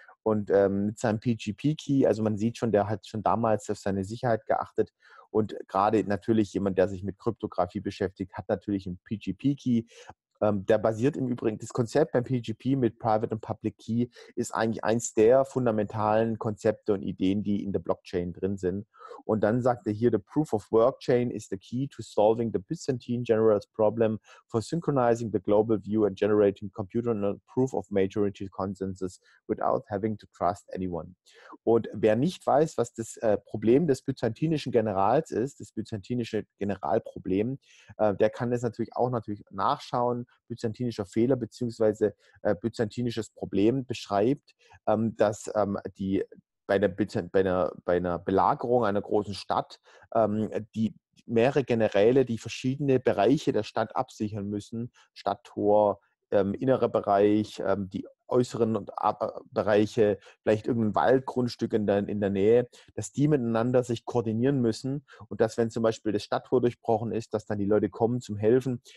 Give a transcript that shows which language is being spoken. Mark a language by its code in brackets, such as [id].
[de] Und mit seinem PGP-Key, also man sieht schon, der hat schon damals auf seine Sicherheit geachtet. Und gerade natürlich jemand, der sich mit Kryptographie beschäftigt, hat natürlich einen PGP-Key. Der basiert im Übrigen, das Konzept beim PGP mit Private und Public Key ist eigentlich eins der fundamentalen Konzepte und Ideen, die in der Blockchain drin sind. Und dann sagt er hier, [en] the proof of work chain is the key to solving the Byzantine general's problem for synchronizing the global view and generating computer proof of majority consensus without having to trust anyone. [de] Und wer nicht weiß, was das Problem des byzantinischen Generals ist, das byzantinische Generalproblem, der kann das natürlich auch nachschauen. Byzantinischer Fehler bzw. Byzantinisches Problem beschreibt, dass die bei einer Belagerung einer großen Stadt die mehrere Generäle, die verschiedene Bereiche der Stadt absichern müssen, Stadttor, innerer Bereich, die äußeren Bereiche, vielleicht irgendein Waldgrundstück in der Nähe, dass die miteinander sich koordinieren müssen und dass, wenn zum Beispiel das Stadttor durchbrochen ist, dass dann die Leute kommen zum Helfen.